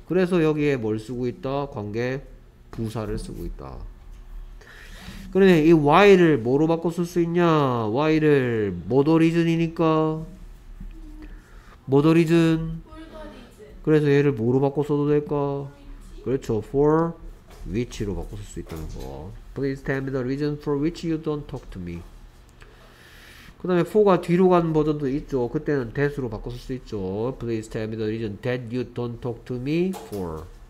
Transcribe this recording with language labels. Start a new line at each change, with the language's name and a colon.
Korean: 그래서 여기에 뭘 쓰고 있다? 관계 부사를 쓰고 있다. 그러네. 이 why를 뭐로 바꿔 쓸수 있냐? why를 뭐더 리즌이니까 뭐더 리즌? 그래서 얘를 뭐로 바꿔 써도 될까? 그렇죠. for which로 바꿔 쓸수 있다는 거.
English: Please tell me the reason for which you don't talk to me.
Korean: 그 다음에 for가 뒤로 가는 버전도 있죠. 그때는 that으로 바꿔 쓸수 있죠.
English: Please tell me the reason that you don't talk to me for.